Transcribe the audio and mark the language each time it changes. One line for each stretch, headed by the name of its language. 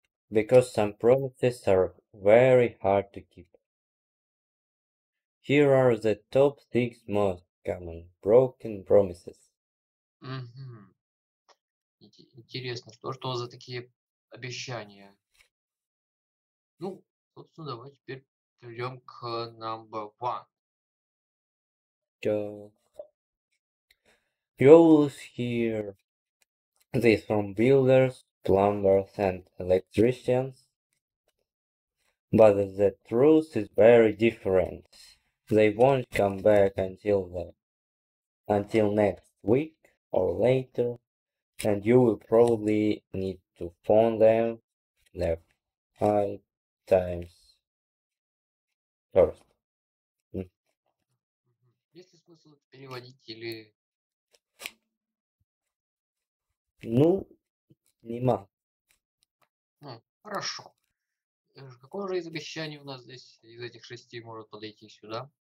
English: Because some promises are very hard to keep. Here are the top six most common broken promises. Mm-hmm.
Russian: Интересно, что за такие обещания. Ну, собственно, давай теперь перейдем к
English: number one. You always hear this from builders, plumbers and electricians. But the truth is very different. They won't come back until next week or later, and you will probably need to phone them the five times first.
Russian: Есть ли смысл переводить или... Ну, нема. Хорошо. Какое же из обещаний у нас здесь, из этих шести, может подойти сюда?